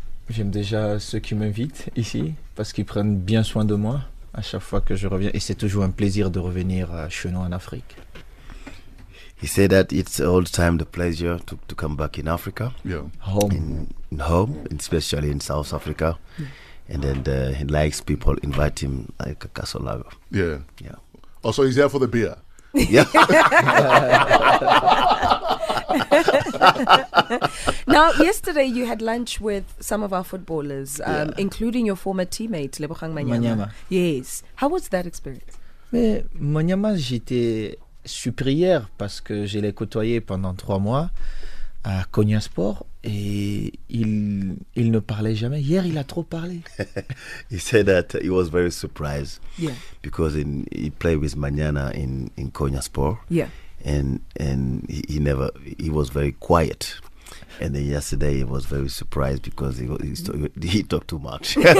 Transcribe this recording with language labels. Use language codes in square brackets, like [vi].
[fr] J'aime déjà ceux qui m'invitent ici parce qu'ils prennent bien soin de moi. à chaque fois que je reviens. Et c'est toujours un plaisir de revenir chez nous en Afrique. [en] He said that it's all the time the pleasure to come back in Africa. Yeah. Home. In home, especially in South Africa. Yeah. And then he likes people invite him like a Casa Lago. Yeah. Yeah. Also, he's there for the beer. Yeah. Now, yesterday you had lunch with some of our footballers, yeah, including your former teammate, Lebogang Manyama. Yes. How was that experience? [fr] Mais Manyama, j'étais supérieur parce que je l'ai côtoyé pendant 3 mois à Konya Sport et il ne parlait jamais. Hier, il a trop parlé. [en] He said that he was very surprised. Yeah. Because he played with Manyama in Konya Sport. Yeah. And he was very quiet. And then yesterday he was very surprised because he talked too much.